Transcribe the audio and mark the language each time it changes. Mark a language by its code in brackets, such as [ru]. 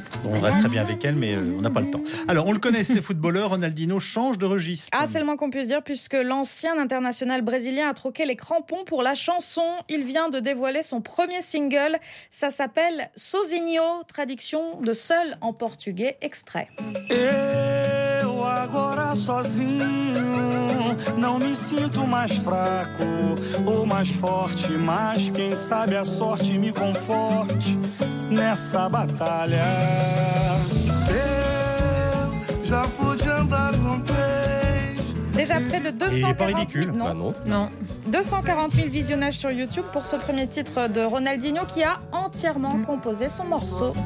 [fr] On reste très bien avec elle, mais on n'a pas le temps. Alors, on le connaît, ce footballeur, Ronaldinho change de registre. Ah, c'est le moins qu'on puisse dire, puisque l'ancien international brésilien a troqué les crampons pour la chanson. Il vient de dévoiler son premier single. Ça s'appelle Sozinho, traduction de seul en portugais, extrait. [pt] Eu agora sozinho, não me sinto mais fraco ou mais forte, mas quem sabe a sorte me conforte. Nessa batalha eu já pude andar com três, [fr] Déjà près de 240 000... Il est pas ridicule. Non. 240 000 visionnages sur YouTube pour ce premier titre de Ronaldinho qui a entièrement composé son morceau.